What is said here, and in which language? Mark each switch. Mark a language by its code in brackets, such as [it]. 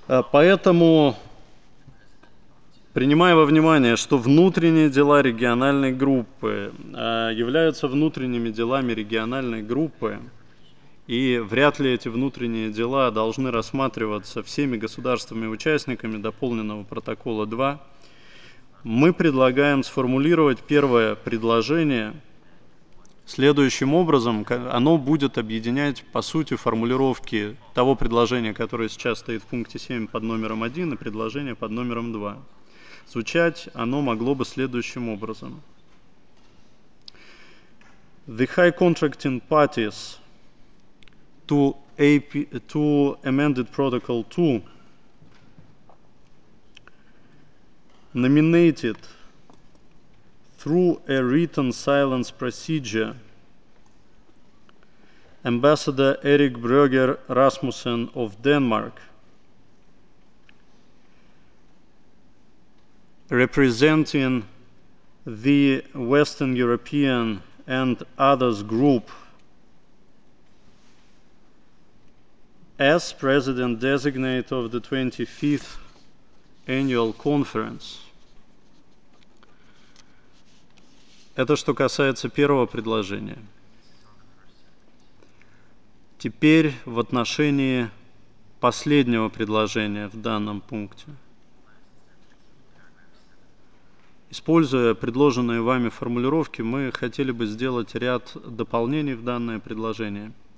[ru] Поэтому, принимая во внимание, что внутренние дела региональной группы являются внутренними делами региональной группы, и вряд ли эти внутренние дела должны рассматриваться всеми государствами-участниками дополненного протокола 2, мы предлагаем сформулировать первое предложение следующим образом. Оно будет объединять, по сути, формулировки того предложения, которое сейчас стоит в пункте 7 под номером 1, и предложение под номером 2. Звучать оно могло бы следующим образом. [en] The high contracting parties to, AP, to amended protocol 2 nominated through a written silence procedure Ambassador Erik Brøgger Rasmussen of Denmark, representing the Western European and others group as president designate of the 25th annual conference. [ru] Это что касается первого предложения. Теперь в отношении последнего предложения в данном пункте. Используя предложенные вами формулировки, мы хотели бы сделать ряд дополнений в данное предложение.